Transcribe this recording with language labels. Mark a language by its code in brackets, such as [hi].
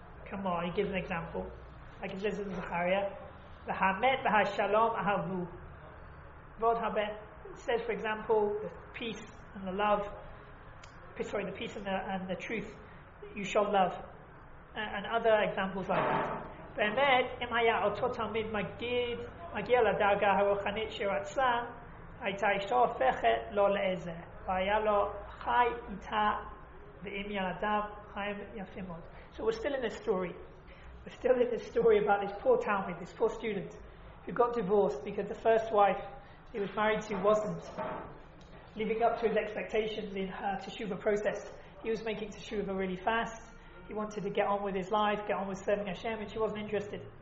[en] Come on, he gives an example. Like it says in Zechariah, [he] the hamet v'hashalom ahavu. [en] Vod habet says, for example, the peace and the love. Sorry, the peace and the truth. You shall love, and other examples like that. [he] באמת, אם היה אותו תלמיד מגיע לדרגה הרוחנית שרצה, הייתה אשתו הופכת לו לעזר. והיה לו חי איתה ועם ילדיו חיים יפים מאוד. [en] So we're still in this story. We're still in this story about this poor Talmud, this poor student, who got divorced because the first wife he was married to wasn't living up to his expectations in her teshuva process. He was making teshuva really fast. He wanted to get on with his life, get on with serving Hashem, and she wasn't interested.